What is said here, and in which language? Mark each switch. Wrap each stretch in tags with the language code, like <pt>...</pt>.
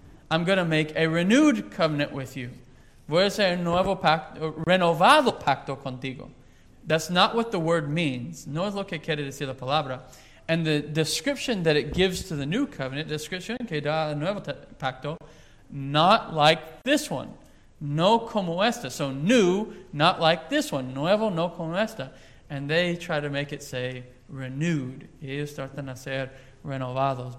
<en>I'm going to make a renewed covenant with you.</en> <es>Voy a hacer un nuevo pacto, renovado pacto contigo.</es> <en>That's not what the word means.</en> <es>No es lo que quiere decir la palabra.</es> <en>And the description that it gives to the new covenant,</en> <es>description que da el nuevo pacto,</es> <en>not like this one.</en> <es>No como esta.</es> <en>So new, not like this one.</en> <es>Nuevo, no como esta.</es> <en>And they try to make it say renewed.</en> <es>Y ellos tratan de hacer renovados.</es>